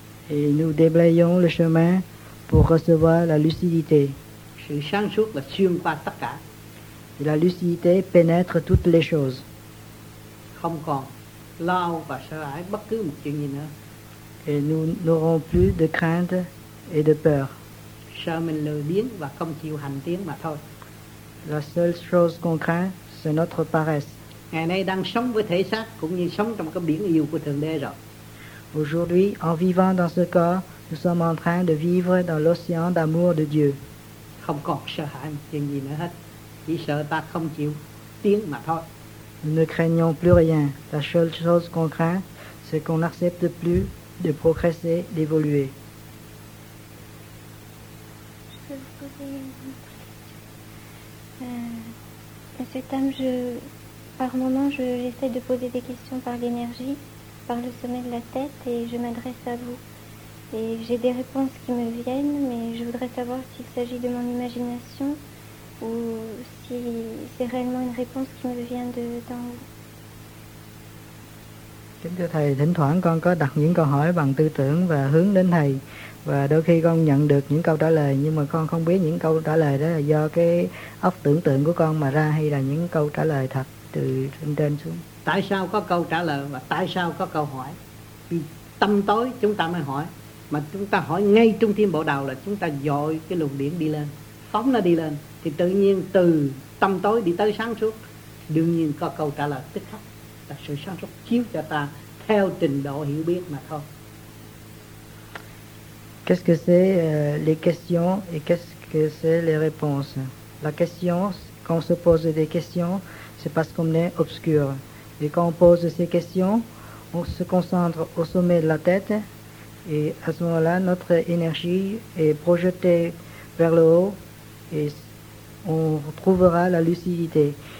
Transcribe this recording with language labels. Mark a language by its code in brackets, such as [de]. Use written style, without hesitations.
[fr] Et nous déblayons le chemin pour recevoir la lucidité. [vi] Sự sáng suốt là xuyên qua tất cả. [fr] La lucidité pénètre toutes les choses. [vi] Không còn lo và sợ hãi bất cứ một chuyện gì nữa. [fr] Et nous n'aurons plus de crainte et de peur. [vi] Sợ mình lười biếng và không chịu hành tiến mà thôi. [fr] La seule chose qu'on craint, c'est notre paresse. [vi] Ngày nay đang sống với thể xác cũng như sống trong cái biển yêu của Thượng Đế rồi. [fr] Aujourd'hui, en vivant dans ce corps, nous sommes en train de vivre dans l'océan d'amour de Dieu. [vi] Không còn sợ hãi chuyện gì nữa hết, chỉ sợ ta không chịu tiến mà thôi. [fr] Nous ne craignons plus rien. La seule chose qu'on craint, c'est qu'on n'accepte plus de progresser, d'évoluer. Je peux vous poser une question. Monsieur Tam, par moment, j'essaie de poser des questions par l'énergie, par le sommet de la tête, et je m'adresse à vous. Et j'ai des réponses qui me viennent, mais je voudrais savoir s'il s'agit de mon imagination ou si c'est réellement une réponse qui me vient d'en haut. [vi] Kính thưa Thầy, thỉnh thoảng con có đặt những câu hỏi bằng tư tưởng và hướng đến Thầy. Và đôi khi con nhận được những câu trả lời, nhưng mà con không biết những câu trả lời đó là do cái óc tưởng tượng của con mà ra hay là những câu trả lời thật từ trên xuống. Tại sao có câu trả lời và tại sao có câu hỏi? Vì tâm tối chúng ta mới hỏi. Mà chúng ta hỏi ngay trung tâm bộ đầu là chúng ta dội cái luồng điện đi lên, phóng nó đi lên. Thì tự nhiên từ tâm tối đi tới sáng suốt, đương nhiên có câu trả lời tức khắc. Sự sáng suốt chiếu cho ta theo trình độ hiểu biết mà thôi. [fr] Qu'est-ce que c'est les questions et qu'est-ce que c'est les réponses? La question, quand on se pose des questions, c'est parce qu'on est obscur. Et quand on pose ces questions, on se concentre au sommet de la tête et à ce moment-là, notre énergie est projetée vers le haut et on trouvera la lucidité.